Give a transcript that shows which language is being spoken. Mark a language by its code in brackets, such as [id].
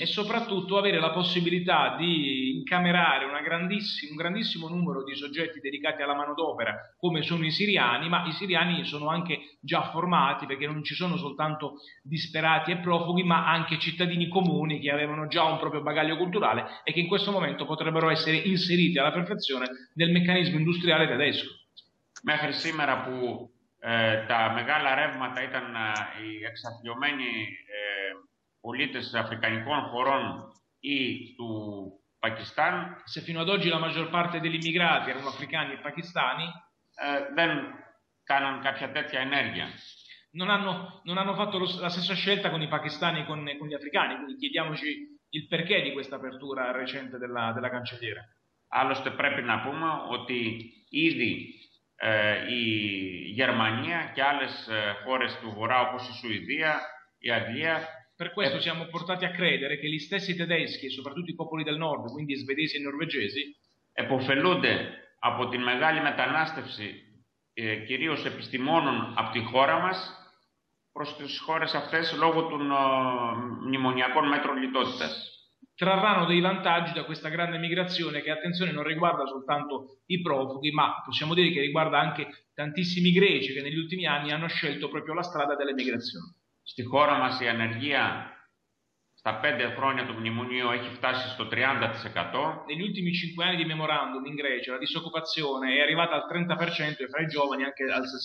[it] E soprattutto avere la possibilità di incamerare un grandissimo numero di soggetti dedicati alla manodopera, come sono i siriani, ma i siriani sono anche già formati, perché non ci sono soltanto disperati e profughi, ma anche cittadini comuni che avevano già un proprio bagaglio culturale e che in questo momento potrebbero essere inseriti alla perfezione nel meccanismo industriale tedesco. [el] Μέχρι σήμερα που τα μεγάλα ρεύματα ήταν οι εξαθλιωμένοι πολίτες αφρικανικών χωρών ή του Πακιστάν. [it] Se fino ad oggi la maggior parte degli immigrati erano africani e pakistani, [el] δεν κάναν κάποια τέτοια ενέργεια. [it] Non hanno fatto la stessa scelta con i pakistani e con gli africani, quindi chiediamoci il perché di questa apertura recente della cancelliera. [el] Άλλωστε πρέπει να πούμε ότι ήδη η Γερμανία και άλλες χώρες του Βορρά, όπως η Σουηδία, η Αγγλία. [it] Per questo siamo portati a credere che gli stessi tedeschi, soprattutto i popoli del nord, quindi svedesi e norvegesi, [el] επωφελούνται από τη μεγάλη μετανάστευση κυρίως επιστημόνων από τη χώρα μας προς τις χώρες αυτές λόγω των μνημονιακών μέτρων λιτότητας. [it] Trarranno dei vantaggi da questa grande migrazione che, attenzione, non riguarda soltanto i profughi, ma possiamo dire che riguarda anche tantissimi greci che negli ultimi anni hanno scelto proprio la strada delle migrazioni. [el] Στη χώρα μας η ανεργία στα 5 χρόνια του μνημονίου έχει φτάσει στο 30%. [it] Negli ultimi 5 anni di memorandum in Grecia la disoccupazione è arrivata al 30% e fra i giovani anche al 60%.